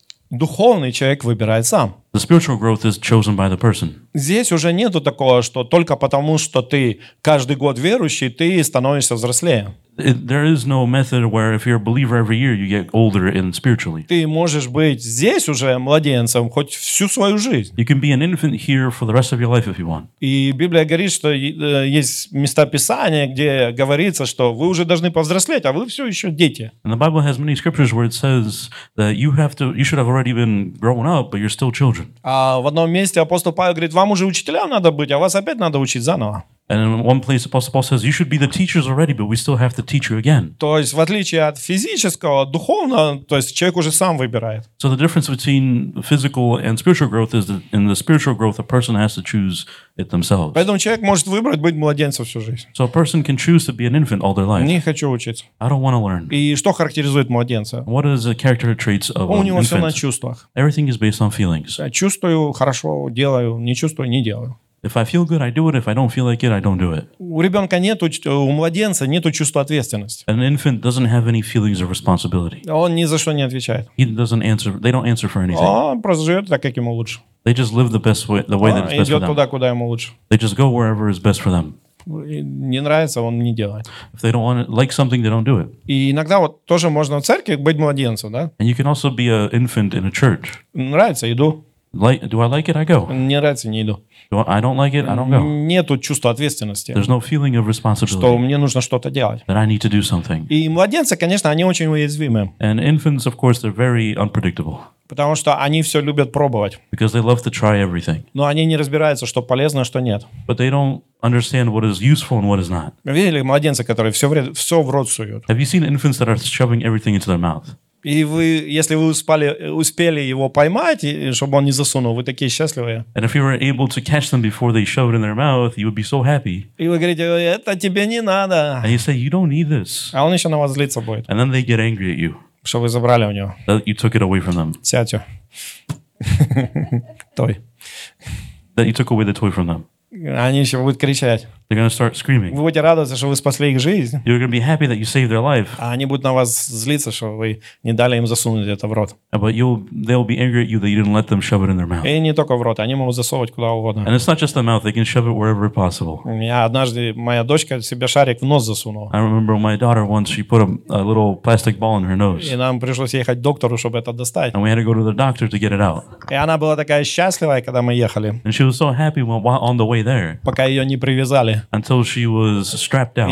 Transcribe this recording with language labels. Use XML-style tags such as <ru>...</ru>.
<ru>духовный человек выбирает сам.</ru> <en>The spiritual growth is chosen by the person.</en> <ru>Здесь уже нету такого, что только потому, что ты каждый год верующий, ты становишься взрослее.</ru> <en>There is no method where if you're a believer every year, you get older in spiritually.</en> <ru>Ты можешь быть здесь уже младенцем хоть всю свою жизнь.</ru> <en>You can be an infant here for the rest of your life if you want.</en> <ru>И Библия говорит, что есть места Писания, где говорится, что вы уже должны повзрослеть, а вы все еще дети.</ru> <en>And the Bible has many scriptures where it says that you should have already been grown up, but you're still children.</en> <ru>А в одном месте апостол Павел говорит, вам уже учителям надо быть, а вас опять надо учить заново.</ru> <en>And in one place, Apostle Paul says, you should be the teachers already, but we still have to teach you again.</en> <ru>То есть, в отличие от физического, духовного, то есть, человек уже сам выбирает.</ru> <en>So the difference between physical and spiritual growth is that in the spiritual growth, a person has to choose it themselves.</en> <ru>Поэтому человек может выбрать быть младенцем всю жизнь.</ru> <en>So a person can choose to be an infant all their life.</en> <ru>Не хочу учиться.</ru> <en>I don't want to learn.</en> <ru>И что характеризует младенца?</ru> <en>What is the character traits of an infant?</en> <ru>У него все на чувствах.</ru> <en>Everything is based on feelings.</en> <ru>Я чувствую, хорошо делаю, не чувствую, не делаю.</ru> <en>If I feel good, I do it. If I don't feel like it, I don't do it.</en> <ru>У ребенка нету, у младенца нету чувства ответственности.</ru> <en>An infant doesn't have any feelings of responsibility.</en> <ru>Он ни за что не отвечает.</ru> <en>He doesn't answer. They don't answer for anything.</en> <ru>Он просто живет так, как ему лучше.</ru> <en>They just live the best way, that is best for them.</en> <ru>Идет туда, куда ему лучше.</ru> <en>They just go wherever is best for them.</en> <ru>Не нравится, он не делает.</ru> <en>If they don't want it, like something, they don't do it.</en> <ru>И иногда вот тоже можно в церкви быть младенцем, да?</ru> <en>And you can also be an infant in a church.</en> <ru>Нравится, иду.</ru> <en>Like, do I like it? I go.</en> <ru>Не нравится, не иду.</ru> <en>I don't like it, I don't go.</en> <ru>Нету чувства ответственности.</ru> <en>There's no feeling of responsibility.</en> <ru>Что мне нужно что-то делать.</ru> <en>That I need to do something.</en> <ru>И младенцы, конечно, они очень уязвимы.</ru> <en>And infants, of course, they're very unpredictable.</en> <ru>Потому что они все любят пробовать.</ru> <en>Because they love to try everything.</en> <ru>Но они не разбираются, что полезно, что нет.</ru> <en>But they don't understand what is useful and what is not.</en> <ru>Видели младенцы, которые все в рот суют?</ru> <en>Have you seen infants that are shoving everything into their mouth?</en> <ru>И вы, если вы успели его поймать, чтобы он не засунул, вы такие счастливые.</ru> <en>And if you were able to catch them before they shoved it in their mouth, you would be so happy.</en> <ru>И вы говорите, это тебе не надо.</ru> <en>And you say, you don't need this.</en> <ru>А он еще на вас злиться будет.</ru> <en>And then they get angry at you.</en> <ru>Что вы забрали у него.</ru> <en>That you took it away from them.</en> <ru>Сядьте.</ru> <en>Той. That you took away the toy from them.</en> <ru>Они еще будут кричать.</ru> <en>They're gonna start screaming.</en> <ru>Вы будете радоваться, что вы спасли их жизнь.</ru> <en>You're gonna be happy that you saved their life.</en> <ru>А они будут на вас злиться, что вы не дали им засунуть это в рот.</ru> <en>But they'll be angry at you that you didn't let them shove it in their mouth.</en> <ru>И не только в рот, они могут засовывать куда угодно.</ru> <en>And it's not just the mouth, they can shove it wherever possible.</en> <ru>Я однажды, моя дочка себе шарик в нос засунула.</ru> <en>I remember my daughter once, she put a little plastic ball in her nose.</en> <ru>И нам пришлось ехать к доктору, чтобы это достать.</ru> <en>And we had to go to the doctor to get it out.</en> <ru>И она была такая счастливая, когда мы ехали.</ru> <en>And she was so happy while on the way there.</en> <ru>Пока ее не привязали. Until she was strapped down.</ru>